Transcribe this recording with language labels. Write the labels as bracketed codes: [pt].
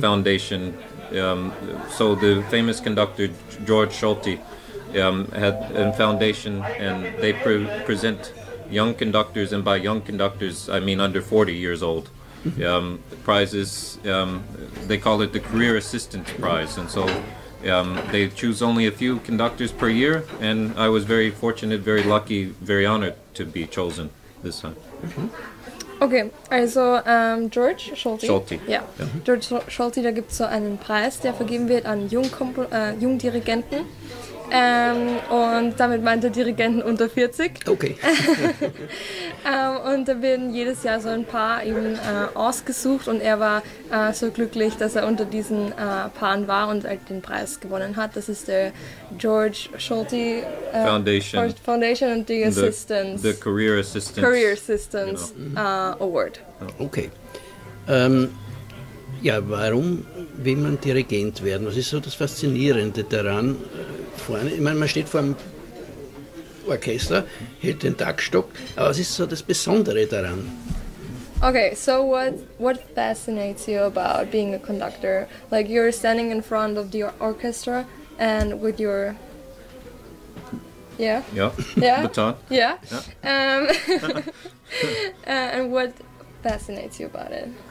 [en] Foundation, so the famous conductor George Schulte had a foundation, and they present young conductors, and by young conductors, I mean under 40 years old. prizes, they call it the Career Assistance Prize, and so they choose only a few conductors per year, and I was very fortunate, very lucky, very honored to be chosen this time. [de] Mm-hmm. Okay, also George Schulte. Schulte. [en] Yeah. Yeah. Mm-hmm. [de] George Schulte, da gibt es so einen Preis, der vergeben wird an Jungdirigenten. Und damit meint er Dirigenten unter 40. Okay. und da werden jedes Jahr so ein paar eben ausgesucht und er war so glücklich, dass er unter diesen Paaren war und halt den Preis gewonnen hat. Das ist der George Schulte [en] Foundation and the Assistance. The Career Assistance. Career Assistance, you know. Award. Okay. [de] Ja, warum will man Dirigent werden? Was ist so das Faszinierende daran? Vorne, ich meine, man steht vor einem Orchester, hält den Taktstock, aber was ist so das Besondere daran? [en] Okay, so what fascinates you about being a conductor? Like, you're standing in front of the orchestra and with your... Yeah? Yeah, yeah? Baton. Yeah? Yeah. and what fascinates you about it?